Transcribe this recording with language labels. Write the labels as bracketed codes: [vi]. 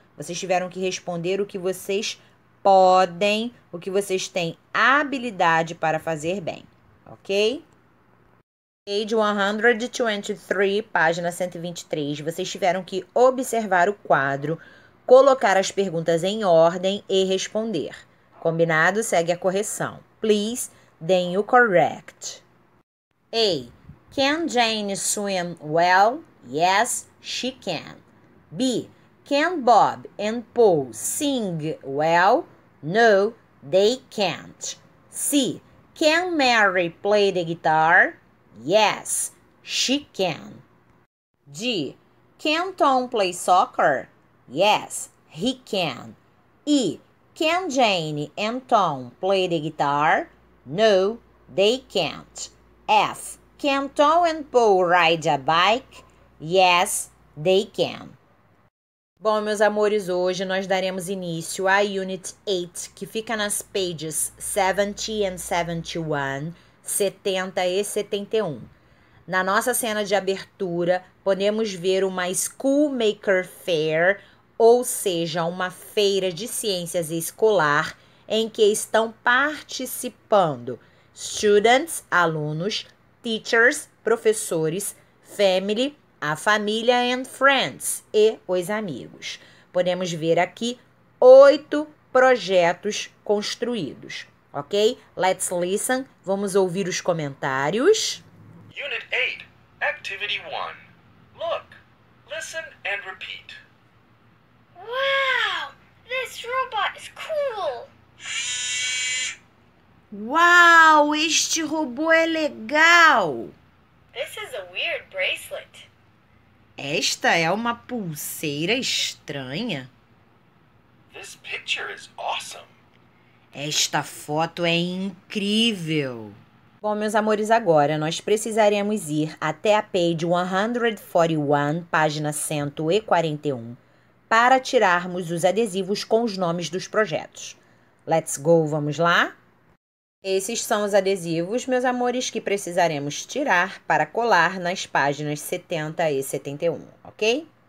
[pt] Vocês tiveram que responder o que vocês podem, o que vocês têm habilidade para fazer bem, ok? [en] Page 123, [pt] página 123. Vocês tiveram que observar o quadro, colocar as perguntas em ordem e responder. Combinado? Segue a correção. [en] Please, then you correct. A. Can Jane swim well? Yes, she can. B. Can Bob and Paul sing well? No, they can't. C. Can Mary play the guitar? Yes, she can. D. Can Tom play soccer? Yes, he can. E. Can Jane and Tom play the guitar? No, they can't. F. Can Tom and Paul ride a bike? Yes, they can. [pt] Bom, meus amores, hoje nós daremos início à Unit 8, que fica nas [en] pages 70 and 71, [pt] 70 e 71. Na nossa cena de abertura, podemos ver uma Schoolmaker Fair, ou seja, uma feira de ciências escolar, em que estão participando students, alunos, teachers, professores, family, a família and friends e os amigos. Podemos ver aqui oito projetos construídos. Ok? [en] Let's listen. [pt] Vamos ouvir os comentários. [en] Unit 8, Activity 1. Look, listen and repeat. Wow, this robot is cool. [pt] Uau, este robô é legal! [en] This is a weird bracelet. [pt] Esta é uma pulseira estranha. [en] This picture is awesome. [pt] Esta foto é incrível. Bom, meus amores, agora nós precisaremos ir até a page 141, página 141, para tirarmos os adesivos com os nomes dos projetos. [en] Let's go, [pt] vamos lá? Esses são os adesivos, meus amores, que precisaremos tirar para colar nas páginas 70 e 71, ok?